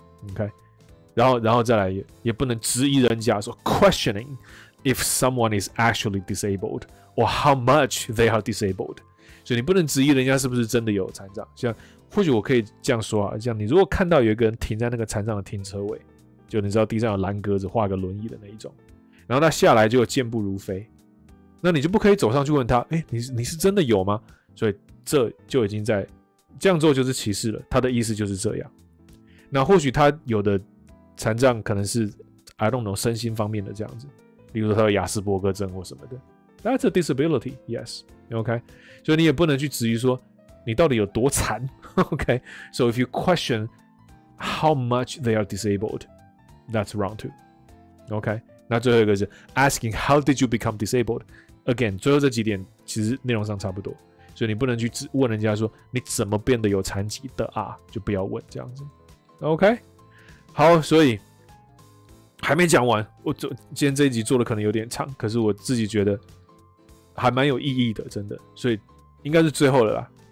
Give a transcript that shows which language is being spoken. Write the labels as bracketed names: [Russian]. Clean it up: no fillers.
[English] OK， [Chinese] 然后再来也不能质疑人家说 [English] questioning if someone is actually disabled or how much they are disabled。 [Chinese] 所以你不能质疑人家是不是真的有残障。像或许我可以这样说啊，像你如果看到有一个人停在那个残障的停车位。就你知道地上有蓝格子画个轮椅的那一种，然后他下来就健步如飞，那你就不可以走上去问他，欸，你是真的有吗？所以这就已经在这样做就是歧视了，他的意思就是这样。那或许他有的残障可能是 [English] I don't know [Chinese] 身心方面的这样子，例如说他有亚斯伯格症或什么的， [English] That's a disability, yes, OK, [Chinese] 所以你也不能去质疑说你到底有多残， OK, [English] So if you question how much they are disabledThat's wrong too. OK, [Chinese] 那最后一个是 [English] asking how did you become disabled? [Chinese] Again, 最后这几点其实内容上差不多，所以你不能去问人家说你怎么变得有残疾的啊，就不要问这样子。 OK, 好，所以还没讲完，我今天这一集做的可能有点长，可是我自己觉得还蛮有意义的，真的，所以应该是最后了啦。